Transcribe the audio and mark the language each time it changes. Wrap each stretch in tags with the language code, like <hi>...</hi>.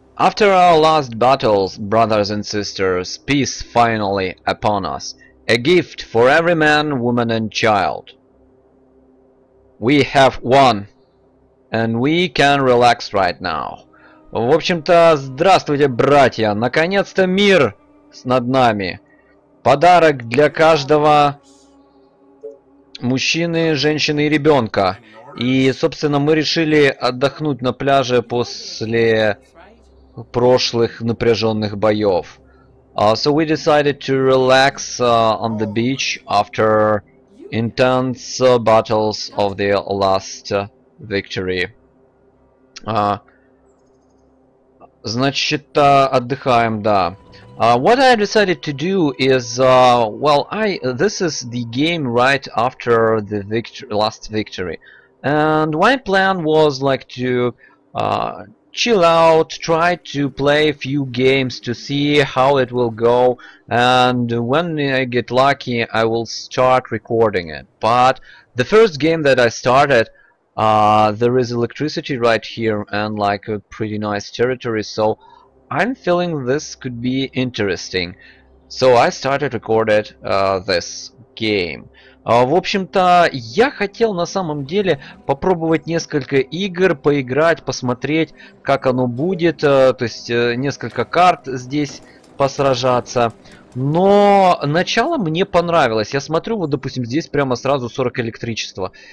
<en>After our last battles, brothers and sisters, peace finally upon us. A gift for every man, woman and child. We have won, and we can relax right now.</en> <ru>В общем-то, здравствуйте, братья! Наконец-то мир над нами. Подарок для каждого мужчины, женщины и ребенка. И, собственно, мы решили отдохнуть на пляже после прошлых напряженных боев.</ru> <en>So we decided to relax on the beach after intense battles of the last victory.</en> <ru>Значит, отдыхаем, да.</ru> <en>What I decided to do is, this is the game right after the last victory. And my plan was like to chill out, try to play a few games to see how it will go, and when I get lucky, I will start recording it. But the first game that I started, there is electricity right here and like a pretty nice territory, so I'm feeling this could be interesting. So I started recording this game.</en> <ru>В общем-то, я хотел на самом деле попробовать несколько игр, поиграть, посмотреть, как оно будет, то есть несколько карт здесь посражаться. Но начало мне понравилось. Я смотрю, вот, допустим, здесь прямо сразу 40 электричества.</ru>